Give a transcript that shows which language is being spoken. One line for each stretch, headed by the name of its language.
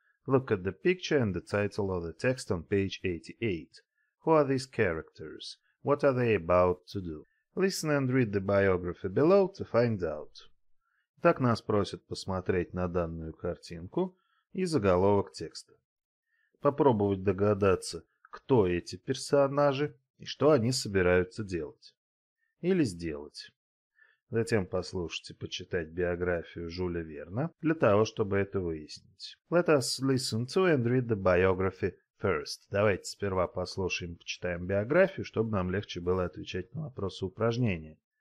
English: Look at the picture and the title of the text on page 88. Who are these characters? What are they about to do? Listen and read the biography below to find out.
Russian: Так нас просят посмотреть на данную картинку и заголовок текста. Попробовать догадаться, кто эти персонажи и что они собираются делать. Или сделать. Затем послушать и почитать биографию Жюля Верна для того, чтобы это выяснить.
English: Let us listen to and read the biography first.
Russian: Давайте сперва послушаем и почитаем биографию, чтобы нам легче было отвечать на вопросы упражнения.